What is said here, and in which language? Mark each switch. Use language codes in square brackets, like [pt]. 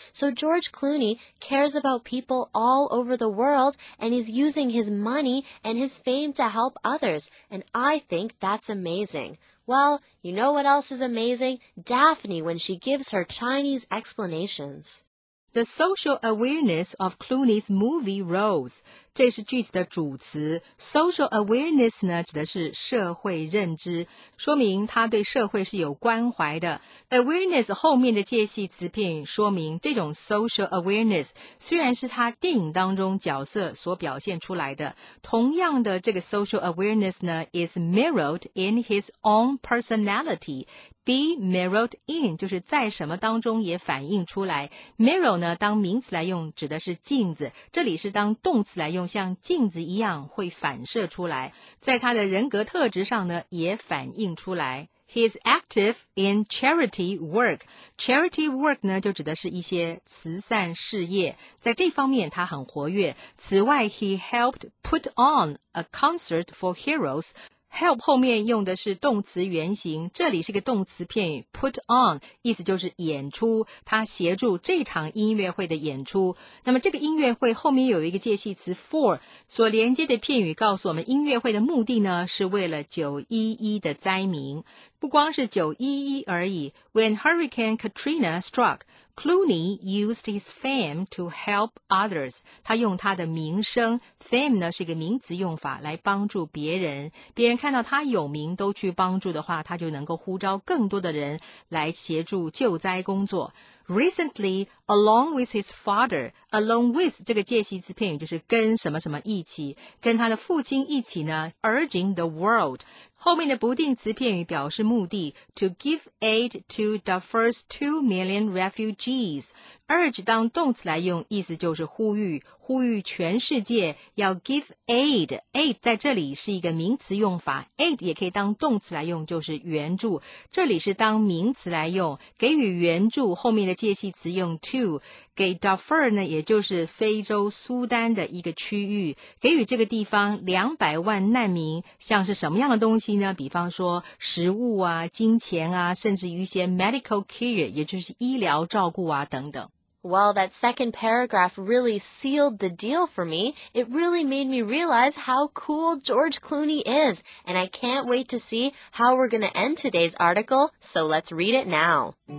[en] So George Clooney cares about people all over the world, and he's using his money and his fame to help others. And I think that's amazing. Well, you know what else is amazing? Daphne, when she gives her Chinese explanations. The social awareness of Clooney's movie rose. [zh] 这是句子的主词。 Social awareness 呢，指的是社会认知，说明他对社会是有关怀的。 Awareness 后面的介系词片语说明这种 social awareness 虽然是他电影当中角色所表现出来的，同样的这个 social awareness 呢 [en] is mirrored in his own personality。 Be mirrored in [zh] 就是在什么当中也反映出来。 Mirror 呢，当名词来用，指的是镜子。这里是当动词来用，像镜子一样会反射出来，在他的人格特质上呢，也反映出来。 [en] He's active in charity work. [zh] Charity work 呢，就指的是一些慈善事业，在这方面他很活跃。此外 [en] ，He helped put on a concert for heroes. [zh] Help 后面用的是动词原形，这里是个动词片语 put on， 意思就是演出，他协助这场音乐会的演出。那么这个音乐会后面有一个介系词 for， 所连接的片语告诉我们音乐会的目的呢，是为了911的灾民。不光是911而已 ， [en] When Hurricane Katrina struck， Clooney used his fame to help others. [zh] 他用他的名声 ,fame 呢是一个名词用法来帮助别人。别人看到他有名都去帮助的话，他就能够呼召更多的人来协助救灾工作。 [en] Recently, along with his father, along with [zh] 这个介系词片语就是跟什么什么一起，跟他的父亲一起呢 , [en] urging the world. [zh] 后面的不定词片语表示目的 , [en] to give aid to the first 2 million refugees. [zh] Urge 当动词来用，意思就是呼吁，呼吁全世界要 give aid. Aid 在这里是一个名词用法， aid 也可以当动词来用，就是援助。这里是当名词来用，给予援助，后面的介系词用 to， 给 Darfur 呢，也就是非洲苏丹的一个区域，给予这个地方200万难民，像是什么样的东西呢？比方说食物啊，金钱啊，甚至于一些 medical care， 也就是医疗照顾啊等等。 [en] Well, that second paragraph really sealed the deal for me. It really made me realize how cool George Clooney is, and I can't wait to see how we're going to end today's article, so let's read it now.